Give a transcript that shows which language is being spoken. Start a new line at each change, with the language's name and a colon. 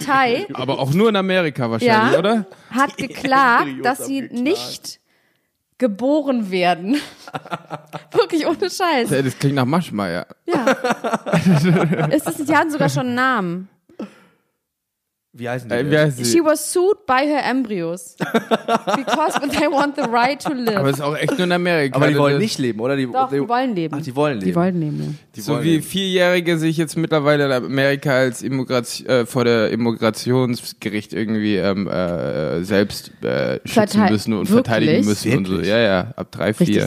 German: Partei. Aber auch nur in Amerika wahrscheinlich, ja, oder? Hat die geklagt, Embryos dass sie geklagt. Nicht geboren werden. Wirklich ohne Scheiß. Das klingt nach Maschmeier. Ja. Es ist, die haben sogar schon einen Namen. Wie heißen die? Wie heißen
English: she was sued by her embryos. Because they want the right to live.
German: Aber das ist auch echt nur in Amerika. Aber die wollen nicht leben, oder? Doch, die wollen leben. Ach, die wollen leben. Die wollen leben. So wie Vierjährige sich jetzt mittlerweile in Amerika als vor der Immigrationsgericht irgendwie selbst schützen müssen und verteidigen müssen. Wirklich? Und so. Ja, ja, ab 3, 4.